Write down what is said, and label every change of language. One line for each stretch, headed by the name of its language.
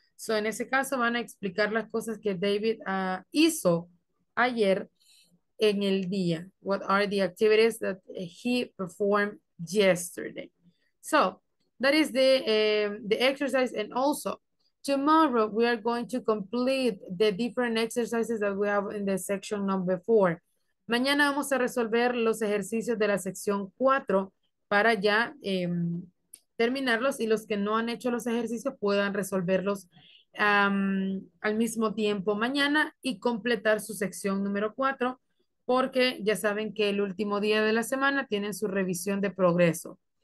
Spanish: So en ese caso van a explicar las cosas que David hizo ayer en el día.
English: What are the activities that he performed yesterday? So that is the exercise. And also, tomorrow we are going to complete the different exercises that we have in the section number 4.
Spanish: Mañana vamos a resolver los ejercicios de la sección 4 para ya terminarlos, y los que no han hecho los ejercicios puedan resolverlos al mismo tiempo mañana y completar su sección número 4, porque ya saben que el último día de la semana tienen su revisión de progreso.